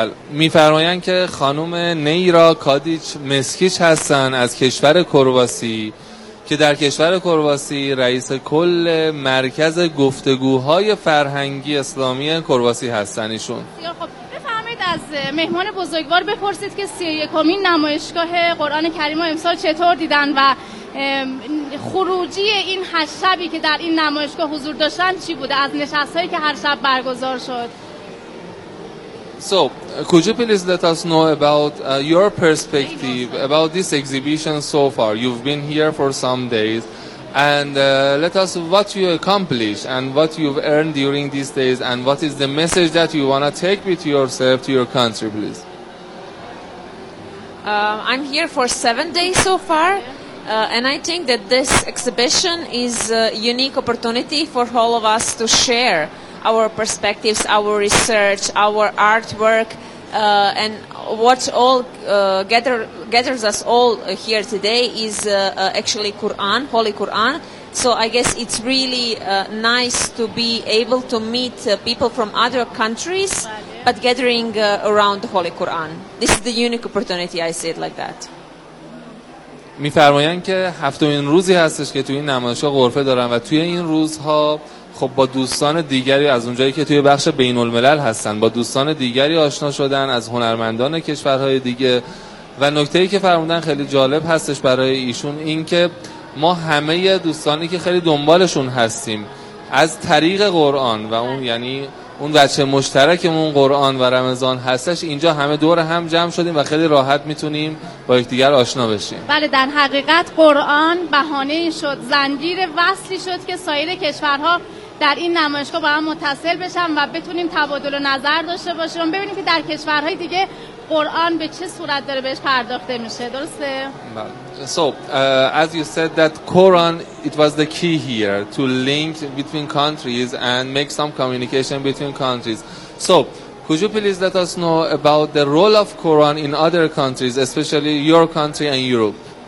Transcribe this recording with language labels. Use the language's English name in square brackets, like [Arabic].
[Persian] می فرمایند که خانم نیرا کادیچ مسکیچ هستن از کشور کرواسی، که در کشور کرواسی رئیس کل مرکز گفتگوهای فرهنگی اسلامی کرواسی هستن ایشون. خب بفهمید، از مهمان بزرگوار بپرسید که 31 نمایشگاه قرآن کریم امسال چطور دیدن و خروجی این هشت شبی که در این نمایشگاه حضور داشتن چی بوده از نشستهایی که هر شب برگزار شد. [English] So, could you please let us know about your perspective about this exhibition so far? You've been here for some days, and let us what you accomplished and what you've earned during these days, and what is the message that you want to take with yourself to your country, please? I'm here for 7 days so far, and I think that this exhibition is a unique opportunity for all of us to share our perspectives, our research, our artwork, and what all gathers us all here today is actually Quran, Holy Quran. So I guess it's really nice to be able to meet people from other countries, but gathering around the Holy Quran. This is the unique opportunity, I say it like that. [Persian] می فرمایند که هفتمین روزی هستش که توی این نمایشگاه غرفه دارن و توی این روزها خب با دوستان دیگری از اونجایی که توی بخش بین الملل هستن با دوستان دیگری آشنا شدن، از هنرمندان کشورهای دیگه، و نکته‌ای که فرمودن خیلی جالب هستش برای ایشون، این که ما همه دوستانی که خیلی دنبالشون هستیم از طریق قرآن و اون یعنی اون بچه مشترکمون قرآن و رمضان هستش، اینجا همه دور هم جمع شدیم و خیلی راحت میتونیم با یکدیگر آشنا بشیم. بله، در حقیقت قرآن بهانه شد، زنجیر وصلی شد که سایر کشورها در این نمایشگاه با هم متصل بشن و بتونیم تبادل نظر داشته باشیم، ببینیم که در کشورهای دیگه قرآن به چه صورت داره بهش پرداخته میشه. درسته؟ بله. [English] So, as you said that Quran, it was the key here to link between countries and make some communication between countries. So, could you please let us know about the role of Quran in other countries, especially your country and Europe?